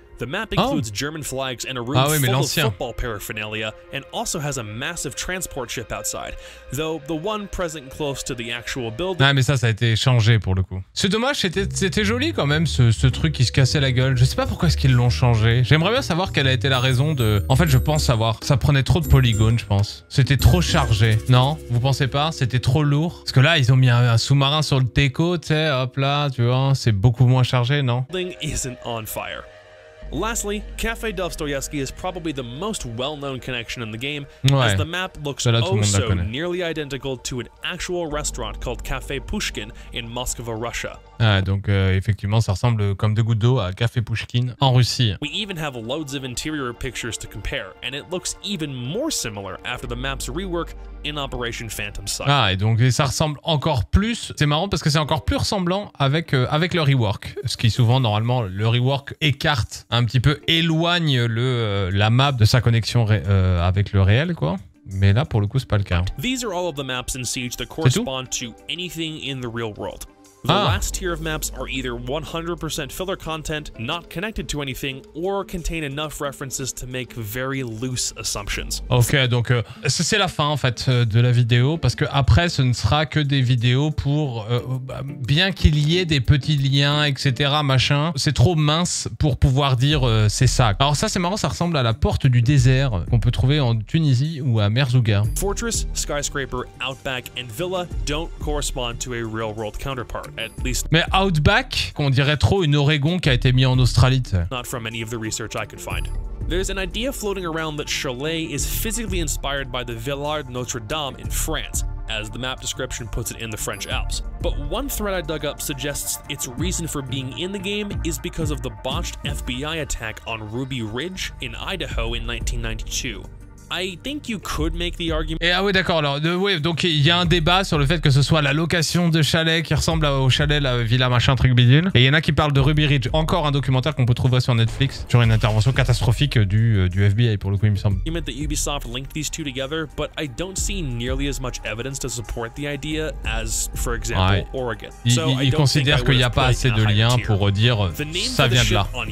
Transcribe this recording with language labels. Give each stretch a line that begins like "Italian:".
English: The map includes German flags and a room full of football paraphernalia, and also has a massive transport ship outside. Though the one present close to the actual building.
French: Ah, mais ça a été changé pour le coup. C'est dommage, c'était joli quand même ce truc qui se cassait la gueule. Je sais pas pourquoi est-ce qu'ils l'ont changé. J'aimerais bien savoir quelle a été la raison de. En fait, je pense savoir. Ça prenait trop de polygones, je pense. C'était trop chargé. Non, vous pensez pas? C'était trop lourd. Parce que là, ils ont mis un sous-marin sur le Teco, tu sais, hop là, tu vois, c'est beaucoup moins chargé, non?
English: The building isn't on fire. Lastly, Café Dostoyevsky is probably the most well-known connection in the game,
French: ouais,
English: as the map looks also nearly identical to an actual restaurant called Café Pushkin in Moscow, Russia.
French: Ah, donc effectivement, ça ressemble comme deux gouttes d'eau à Café Pushkin en Russie.
English: We even have loads of interior pictures to compare, and it looks even more similar after the map's rework in Operation Phantom Sight.
French: Ah, et donc ça ressemble encore plus. C'est marrant parce que c'est encore plus ressemblant avec le rework, ce qui souvent normalement le rework écarte un petit peu, éloigne la map de sa connexion avec le réel, quoi. Mais là, pour le coup, c'est pas le cas.
English: These are all of the maps in Siege that correspond to anything in the real world. The last tier of maps are either 100% filler content, not connected to anything, or contain enough references to make very loose assumptions.
French: Ok, donc c'est la fin en fait de la vidéo, parce que après ce ne sera que des vidéos pour bien qu'il y ait des petits liens, etc. machin, c'est trop mince pour pouvoir dire c'est ça. Alors ça, c'est marrant, ça ressemble à la porte du désert qu'on peut trouver en Tunisie ou à Merzouga.
English: Fortress, skyscraper, outback and villa don't correspond to a real world counterpart. At least.
French: Mais Outback, qu'on dirait trop une Oregon qui a été mis en Australie. T'sais.
English: Not from any of the research I could find. There's an idea floating around that Chalet is physically inspired by the Villard Notre Dame in France, as the map description puts it in the French Alps. But one thread I dug up suggests its reason for being in the game is because of the botched FBI attack on Ruby Ridge in Idaho in 1992. I think you could make the argument.
French: Et ah oui, d'accord. Alors, donc il y a un débat sur le fait que ce soit la location de chalet qui ressemble au chalet, la villa, machin, truc bidule. Et il y en a qui parlent de Ruby Ridge. Encore un documentaire qu'on peut trouver sur Netflix sur une intervention catastrophique du FBI, pour le coup, il me semble.
English: Argument that Ubisoft linked these two together, but I don't see nearly as much evidence to support the idea as, for example,
French: ouais.
English: Oregon.
French: Il considère qu'il n'y a pas assez de liens pour dire ça vient de là.